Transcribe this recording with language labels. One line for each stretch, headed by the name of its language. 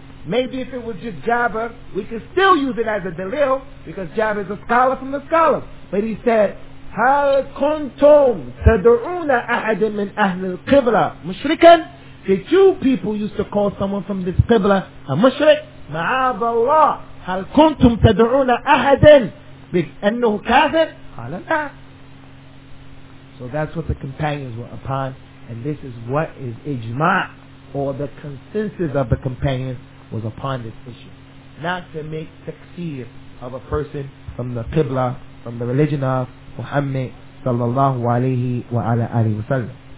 English: Maybe if it was just Jabir, we could still use it as a delil, because Jabir is a scholar from the scholars. But he said,
Arabic: هل كنتم تدعون أحد من أهل القبلة مشركا؟
English: Did you people used to call someone from this Qibla a mushrik?
Arabic: معاذ الله. هل كنتم تدعون أحد بأنه كافر؟ قال لا.
English: So that's what the companions were upon, and this is what is ijma', or the consensus of the companions was upon this issue. Not to make taksir of a person from the Qibla, from the religion of Muhammad sallallahu alayhi wa ala alayhi wa sallam.